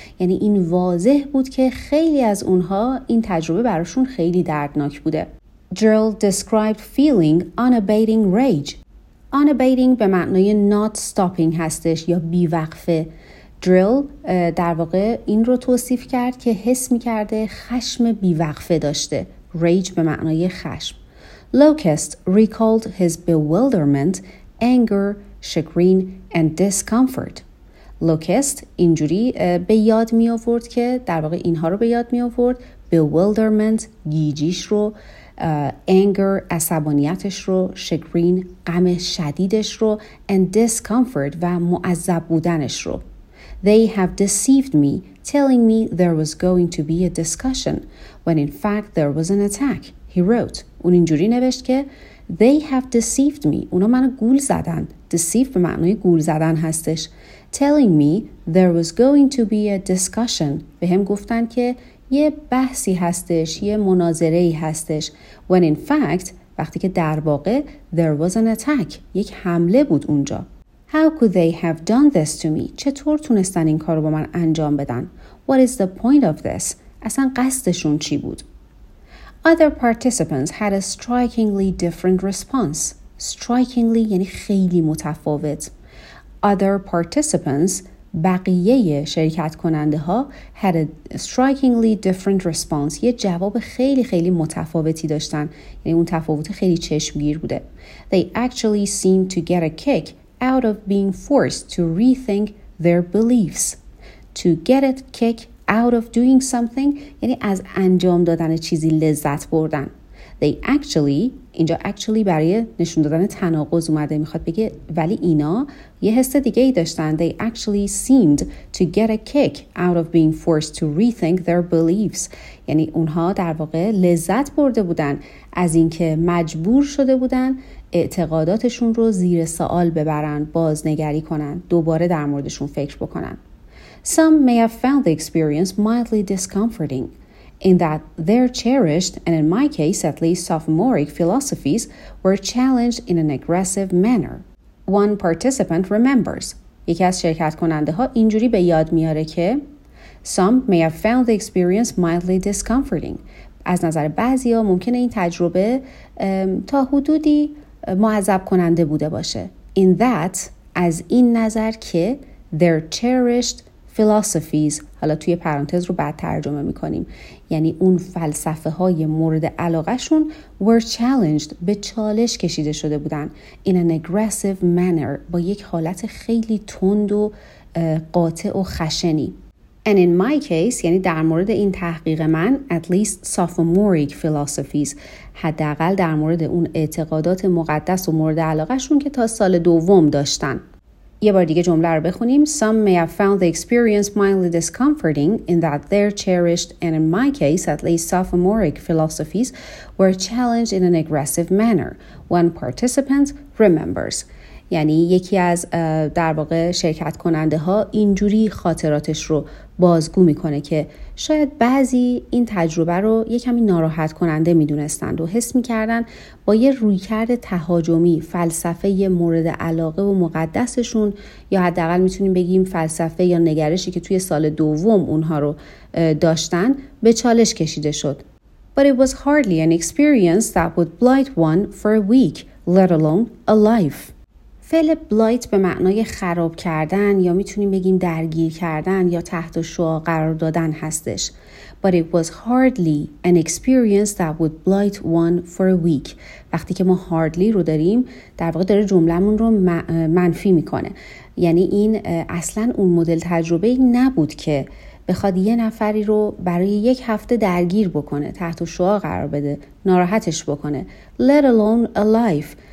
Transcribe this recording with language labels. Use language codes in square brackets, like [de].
[fa] یعنی این واضح بود که خیلی از اونها این تجربه براشون خیلی دردناک بوده. [en] Gerald described feeling unabating rage. [fa] Unabating به معنی [en] not stopping [fa] هستش یا بیوقفه. Gerald در واقع این رو توصیف کرد که حس می کرده خشم بیوقفه داشته. Rage به معنی خشم. [en] Locust recalled his bewilderment, anger, chagrin and discomfort. [fa] Locust اینجوری به یاد می آورد که در واقع اینها رو به یاد می آورد. Bewilderment گیجیش رو, anger عصبانیتش رو, chagrin غم شدیدش رو, and discomfort و معذب بودنش رو. [en] They have deceived me, telling me there was going to be a discussion, when in fact there was an attack, he wrote. [fa] اون اینجوری نوشت که [en] They have deceived me. [fa] اونا منو گول زدن. Deceive به معنی گول زدن هستش. [en] Telling me there was going to be a discussion. [fa] به هم گفتن که یه بحثی هستش، یه مناظره‌ای هستش. [en] When in fact, [fa] وقتی که در واقع [en] there was an attack. [fa] یک حمله بود اونجا. [en] How could they have done this to me? [fa] چطور تونستن این کار رو با من انجام بدن؟ [en] What is the point of this? [fa] اصلا قصدشون چی بود؟ [en] Other participants had a strikingly different response. [fa] Strikingly یعنی خیلی متفاوت. [en] Other participants, [fa] بقیه شرکت کننده ها, [en] had a strikingly different response. [fa] یه جواب خیلی خیلی متفاوتی داشتن. یعنی اون تفاوت خیلی چشمگیر بوده. [en] They actually seemed to get a kick out of being forced to rethink their beliefs. To get a kick out of doing something, [fa] یعنی از انجام دادن چیزی لذت بردن. [en] They actually, [fa] اینجا actually برای نشون دادن تناقض اومده, میخواد بگه ولی اینا یه حس دیگه ای داشتن. [en] They actually seemed to get a kick out of being forced to rethink their beliefs. [fa] یعنی اونها در واقع لذت برده بودن از اینکه مجبور شده بودن اعتقاداتشون رو زیر سوال ببرن, بازنگری کنن, دوباره در موردشون فکر بکنن. [en] Some may have found the experience mildly discomforting in that their cherished, and in my case at least sophomoric, philosophies were challenged in an aggressive manner. One participant remembers. [fa] یکی از شرکت کننده ها اینجوری به یاد میاره که [en] Some may have found the experience mildly discomforting. [fa] از نظر بعضی ها ممکنه این تجربه تا حدودی معذب کننده بوده باشه. [en] In that, [fa] از این نظر که [en] their cherished philosophies, [fa] حالا توی پرانتز رو بعد ترجمه میکنیم, یعنی اون فلسفه های مورد علاقه شون [en] were challenged, [fa] به چالش کشیده شده بودن, [en] in an aggressive manner, [fa] با یک حالت خیلی تند و قاطع و خشنی. [en] And in my case, [fa] یعنی در مورد این تحقیق من, [en] at least sophomoric philosophies, [fa] حداقل در مورد اون اعتقادات مقدس و مورد علاقه شون که تا سال دوم داشتن. یه بار دیگه جمله رو بخونیم. [en] Some may have found the experience mildly discomforting in that their cherished, and in my case, at least sophomoric philosophies, were challenged in an aggressive manner. One participant remembers. [fa] یعنی یکی از در واقع شرکت کننده ها اینجوری خاطراتش رو بازگو میکنه که شاید بعضی این تجربه رو یکمی ناراحت کننده میدونستند و حس میکردن با یه رویکرد تهاجمی فلسفه مورد علاقه و مقدسشون, یا حداقل میتونیم بگیم فلسفه یا نگرشی که توی سال دوم اونها رو داشتن, به چالش کشیده شد. [en] But it was hardly an experience that would blight one for a week, let alone a life. [fa] فعل بلایت به معنای خراب کردن یا میتونیم بگیم درگیر کردن یا تحت شعاع قرار دادن هستش. [en] But it was hardly an experience that would blight one for a week. [fa] وقتی که ما hardly رو داریم, در واقع داره جملمون رو منفی میکنه. یعنی این اصلا اون مدل تجربه‌ای نبود که بخواد یه نفری رو برای یک هفته درگیر بکنه, تحت شعاع قرار بده, ناراحتش بکنه. [en] Let alone a life.